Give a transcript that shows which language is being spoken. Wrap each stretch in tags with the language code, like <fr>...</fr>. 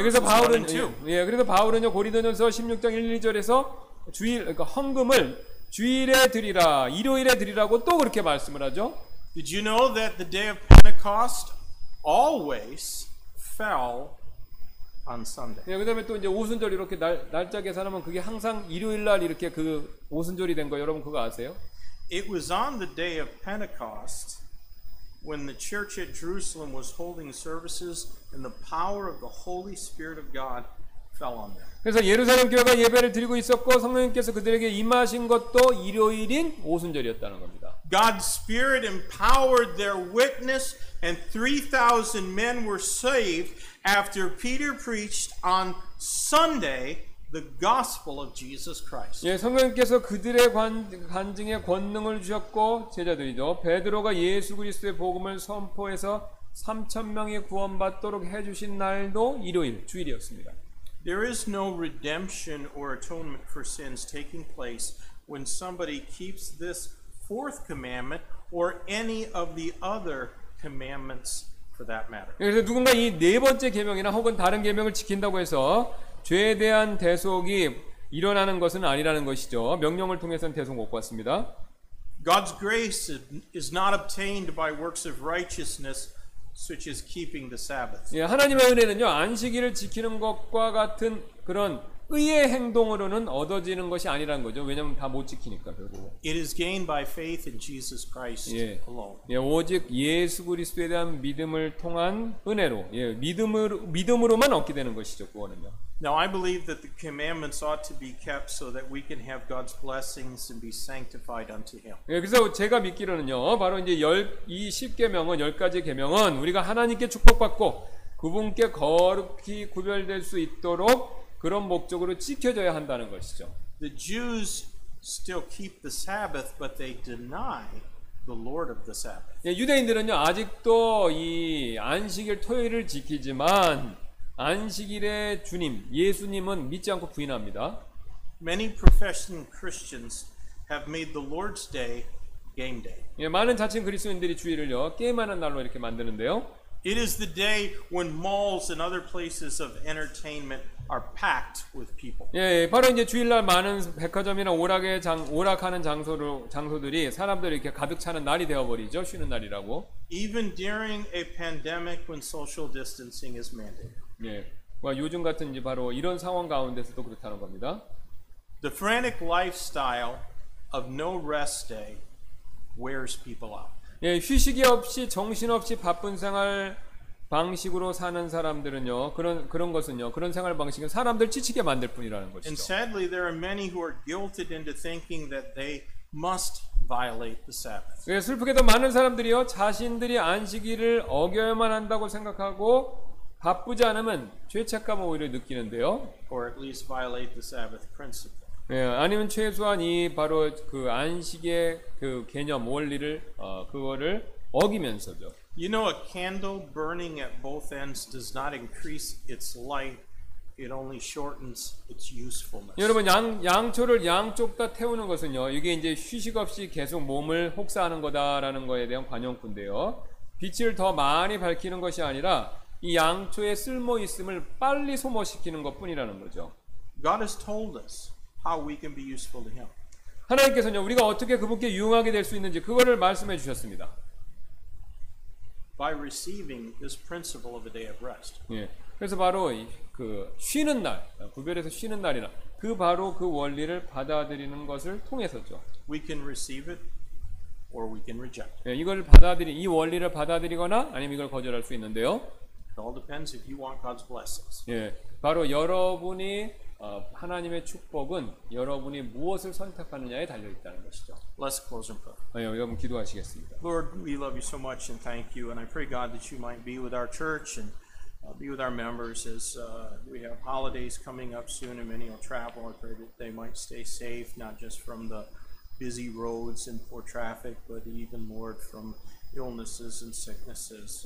<ko>예, 그래서 바울은 예, 그래서 바울은요 고린도전서 16장 1, 2절에서 주일 그러니까 헌금을 주일에 드리라, 일요일에 드리라고 또 그렇게 말씀을 하죠.</ko> <en>Did you know that the day of Pentecost always fell on Sunday?</en> <ko>예, 그다음에 또 이제 오순절 이렇게 날짜 계산하면 그게 항상 일요일 날 이렇게 그 오순절이 된 거 여러분 그거 아세요?</ko> <en>It was on the day of Pentecost when the church at Jerusalem was holding services and the power of the Holy Spirit of God.</en> <ko>그래서 예루살렘 교회가 예배를 드리고 있었고 성령님께서 그들에게 임하신 것도 일요일인 오순절이었다는 겁니다.</ko> <en>God's Spirit empowered their witness and 3,000 men were saved after Peter preached on Sunday the gospel of Jesus Christ.</en> <ko>예, 성령님께서 그들의 간증에 권능을 주셨고 제자들이죠. 베드로가 예수 그리스도의 복음을 선포해서 3천 명이 구원받도록 해주신 날도 일요일 주일이었습니다.</ko> <en>There is no redemption or atonement for sins taking place when somebody keeps this fourth commandment or any of the other commandments for that matter.</en> <ko>그래서 누군가 이 네 번째 계명이나 혹은 다른 계명을 지킨다고 해서 죄에 대한 대속이 일어나는 것은 아니라는 것이죠. 명령을 통해서는 대속 못 받습니다.</ko> <en>God's grace is not obtained by works of righteousness. Such as keeping the Sabbath.</en> <ko>예, 하나님의 은혜는요 안식일을 지키는 것과 같은 그런 의의 행동으로는 얻어지는 것이 아니라는 거죠. 왜냐면 다 못 지키니까 결국.</ko> <en>It is gained by faith in Jesus Christ alone.</en> <ko>예, 오직 예수 그리스도에 대한 믿음을 통한 은혜로, 예, 믿음으로만 얻게 되는 것이죠, 구원은요.</ko> <en>Now I believe that the commandments ought to be kept so that we can have God's blessings and be sanctified unto Him.</en> <ko>예, 그래서 제가 믿기로는요, 바로 이제 이 십계명은 열 가지 계명은 우리가 하나님께 축복받고 그분께 거룩히 구별될 수 있도록 그런 목적으로 지켜져야 한다는 것이죠.</ko> <en>The Jews still keep the Sabbath, but they deny the Lord of the Sabbath.</en> <ko>예, 유대인들은요 아직도 이 안식일 토요일을 지키지만 안식일의 주님 예수님은 믿지 않고 부인합니다.</ko> <en>Many professing Christians have made the Lord's Day game day.</en> <ko>예, 많은 자칭 그리스도인들이 주일을요 게임하는 날로 이렇게 만드는데요. It is the day when malls and other places of entertainment are packed with people. 예, 바로 이제 주일날 많은 백화점이나 오락하는 장소들이 사람들이 이렇게 가득 차는 날이 되어 버리죠. 쉬는 날이라고.</ko> <en>Even during a pandemic when social distancing is mandated. 예.</en> <ko>와, 요즘 같은 이제 바로 이런 상황 가운데서도 그렇다는 겁니다.</ko> <en>The frantic lifestyle of no rest day wears people out.</en> <ko>예, 휴식이 없이 정신없이 바쁜 생활 방식으로 사는 사람들은요. 그런 것은요. 그런 생활 방식은 사람들 지치게 만들 뿐이라는 것이죠.</ko> <en>And sadly there are many who are guilted into thinking that they must violate the Sabbath.</en> <ko>예, 슬프게도 많은 사람들이요. 자신들이 안식일을 어겨야만 한다고 생각하고 바쁘지 않으면 죄책감을 오히려 느끼는데요.</ko> <en>Or at least violate the Sabbath principle.</en> <ko>예, 아니면 최소한 이 바로 그 안식의 그 개념 원리를 그거를 어기면서죠.</ko> <en>You know, a candle burning at both ends does not increase its light; it only shortens its usefulness.</en> <ko>여러분 양초를 양쪽 다 태우는 것은요, 이게 이제 휴식 없이 계속 몸을 혹사하는 거다라는 거에 대한 관용구인데요. 빛을 더 많이 밝히는 것이 아니라 이 양초의 쓸모 있음을 빨리 소모시키는 것뿐이라는 거죠.</ko> <en>God has told us. How we can be useful to Him.</en> <ko>하나님께서는요 우리가 어떻게 그분께 유용하게 될 수 있는지 그거를 말씀해 주셨습니다.</ko> <en>By receiving this principle of a day of rest.</en> <ko>예, 그래서 바로 그 쉬는 날, 구별해서 쉬는 날이나 그 바로 그 원리를 받아들이는 것을 통해서죠.</ko> <en>We can receive it, or we can reject.</en> <ko>예, 이걸 받아들이 이 원리를 받아들이거나 아니면 이걸 거절할 수 있는데요.</ko> <en>It all depends if you want God's blessings.</en> <ko>예, 바로 여러분이 하나님의 축복은 여러분이 무엇을 선택하느냐에 달려 있다는 것이죠.</ko> <en>Let's close in prayer.</en> <ko>예, 여러분 기도하시겠습니다.</ko> <en>Lord, we love you so much and thank you, and I pray God that you might be with our church and be with our members as we have holidays coming up soon and many will travel. I pray that they might stay safe, not just from the busy roads and poor traffic, but even Lord from illnesses and sicknesses.</en>